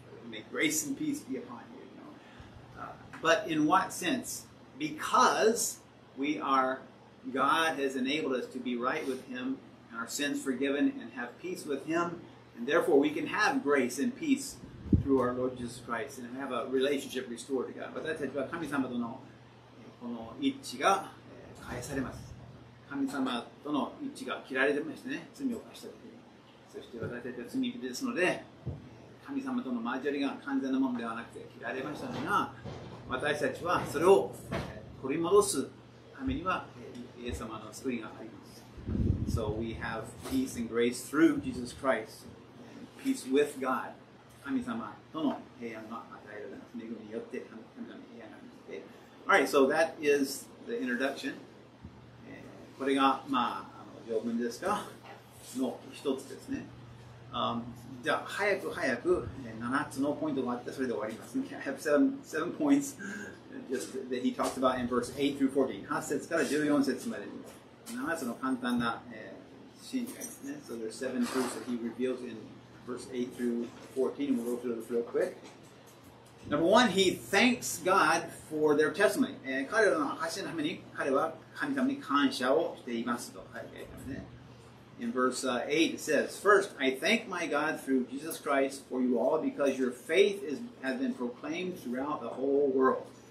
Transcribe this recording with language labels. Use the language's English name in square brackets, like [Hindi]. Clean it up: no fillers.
[English] May grace and peace be upon you. You know? But in what sense? Because we areGod has enabled us to be right with Him and our sins forgiven and have peace with Him and therefore we can have grace and peace through our Lord Jesus Christ and have a relationship restored to God. [Japanese] 私たちは神様とのこの一致が返されます。神様との一致が切られてましたね。罪を犯した時に。そして私たちは罪人ですので神様との交わりが完全なものではなくて切られましたが私たちはそれを取り戻すためにはイエス様の救いがあります。 [English] So we have peace and grace through Jesus Christ. Peace with God. [Japanese] 神様との平安が与えられます。恵みによって神様の平安があります。 [English] Okay. Alright, so that is the introduction. [Japanese] これが、まあ、条文ですかの一つですね。じゃあ、早く早く7つのポイントがあってそれで終わります。 [English] Okay. I have seven points. Just that he talks about in verse 8 through 14. [Japanese] 8節から14節まで。7つの簡単な信解ですね。 [English] So there are seven truths that he reveals in verse 8 through 14. And we'll go through those real quick. Number one, he thanks God for their testimony. [Japanese] 彼らの証のために彼は神様に感謝をしていますと。はい、ね。 [English] In verse 8, it says, First, I thank my God through Jesus Christ for you all because your faith has been proclaimed throughout the whole world.